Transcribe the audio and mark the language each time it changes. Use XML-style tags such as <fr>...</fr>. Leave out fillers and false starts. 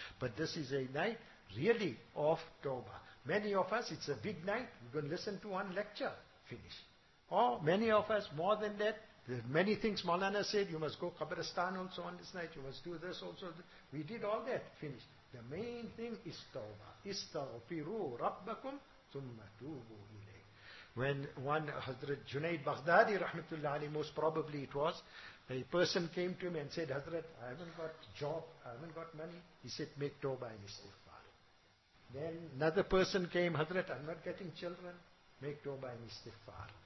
<en>But this is a night, really, of Tawbah. Many of us, it's a big night, we're going to listen to one lecture, finish. Or many of us, more than that, there are many things Maulana said, you must go Qabristan also on this night, you must do this also. We did all that, finish. The main thing is Tawbah.</en> <ar>Istaghfiru Rabbakum ثُمَّ تُوبُوا إِلَيْهِ.</ar> <en>When one Hazrat Junaid Baghdadi rahmatullahi alayhi, most probably it was, a person came to him and said, Hazrat, I haven't got job, I haven't got money. He said, make Tawbah and Istighfar. Then another person came, Hazrat, I'm not getting children, make Tawbah and Istighfar.</en>